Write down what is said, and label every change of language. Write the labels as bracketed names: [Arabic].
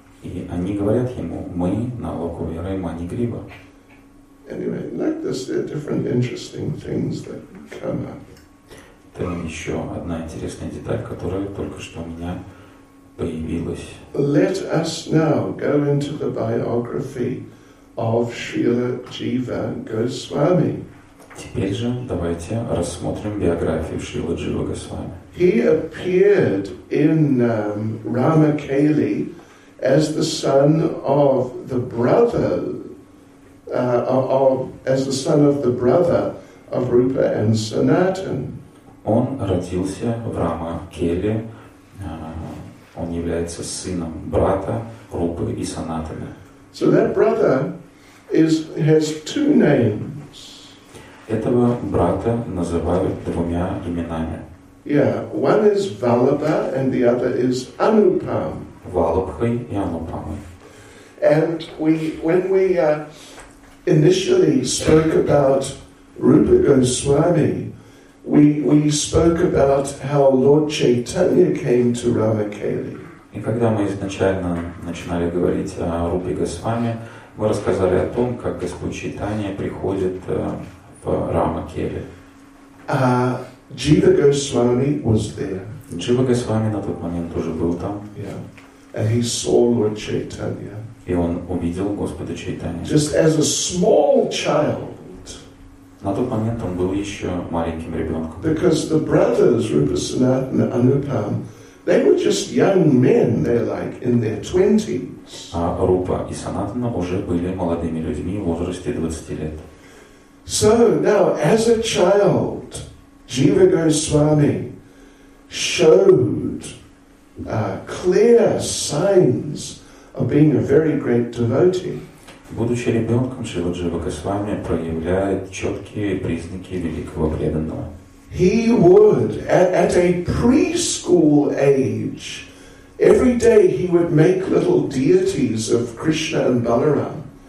[Russian] И они говорят ему, мы Налакувера и Манигрива. [English] Anyway, like this, there are different interesting things that come up. [Russian] Это еще одна интересная деталь, которая только что у меня появилась. [English] Let us now go into the biography of Srila Jiva Goswami. [Russian] Теперь же давайте рассмотрим биографию Шрилы Джива Госвами. [English] He appeared in Ramakeli as the son of the brother of Rupa and Sanatan. [Russian] Он родился в Рама-Келе, он является сыном брата Рупы и Санатаны. [English] So that brother has two names. [Russian] Этого брата называют двумя именами. [English] Yeah, one is Vallabha and the other is Anupam. [Russian] Vallabha и Anupam. [English] And when we initially spoke about Rupa Goswami, we spoke about how Lord Chaitanya came to Ravakeli. [Russian] И когда мы изначально начинали говорить о Рупе Госвами, мы рассказали о том, как Господь Чайтанья приходит в Рамакели. [English] Jiva Goswami was there. [Russian] Jiva Goswami на тот момент тоже был там. [English] Yeah. And he saw Lord Chaitanya. [Russian] И он увидел Господа Чайтанья. [English] Just as a small child. [Russian] На тот момент он был еще маленьким ребенком. [English] Because the brothers Rupa Sanatana and Anupam, they were just young men. They're like in their 20s. [Russian] А Рупа и Санатана уже были молодыми людьми в возрасте 20 лет. [English] So now, as a child, Jiva Goswami showed clear signs of being a very great devotee. [Russian] Будучи ребенком, Джива Госвами проявляет четкие признаки великого преданного. [English] He would, at a preschool age, every day he would make little deities of Krishna and Balaram.